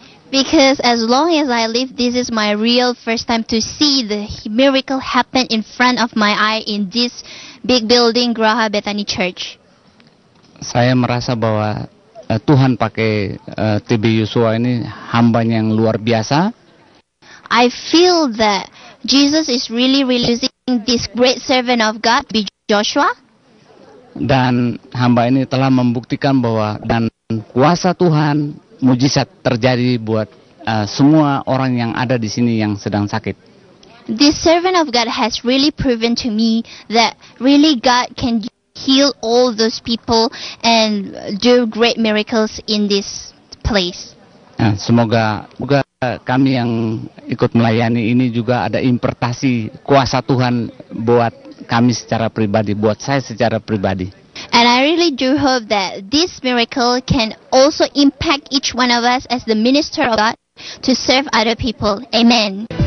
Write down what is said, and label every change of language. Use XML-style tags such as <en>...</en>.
<en>Because as long as I live, this is my real first time to see the miracle happen in front of my eye in this big building, Graha Betani Church.</en> <id>Saya merasa bahwa Tuhan pakai T.B. Joshua ini hamba yang luar biasa.</id> <en>I feel that Jesus is really releasing this great servant of God, T.B. Joshua.</en> <id>Dan hamba ini telah membuktikan bahwa dan kuasa Tuhan mujizat terjadi buat semua orang yang ada di sini yang sedang sakit.</id> <en>This servant of God has really proven to me that really God can heal all those people and do great miracles in this place.</en> <id>Semoga kami yang ikut melayani ini juga ada impartasi kuasa Tuhan buat kami secara pribadi, buat saya secara pribadi.</id> <en>And I really do hope that this miracle can also impact each one of us as the minister of God to serve other people. Amen.</en>